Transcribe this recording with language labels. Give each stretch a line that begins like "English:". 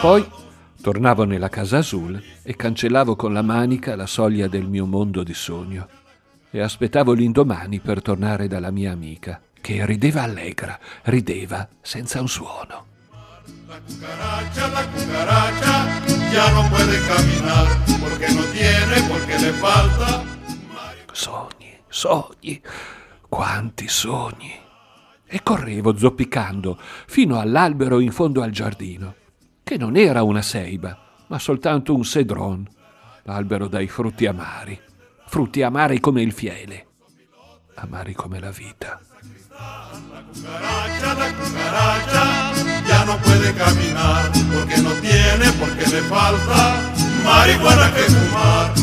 Italian: Poi tornavo nella casa Azul e cancellavo con la manica la soglia del mio mondo di sogno. e aspettavo l'indomani per tornare dalla mia amica, che rideva allegra, rideva senza un suono.
Spanish: La cucaracha ya no puede caminar, porque no tiene, porque le falta.
Italian: Sogni, sogni, quanti sogni! E correvo zoppicando fino all'albero in fondo al giardino, che non era una ceiba, ma soltanto un cedron, l'albero dai frutti amari come il fiele, amari come la vita.
Spanish: La cucaracha ya no puede caminar, porque no tiene, porque le falta marihuana que fumar.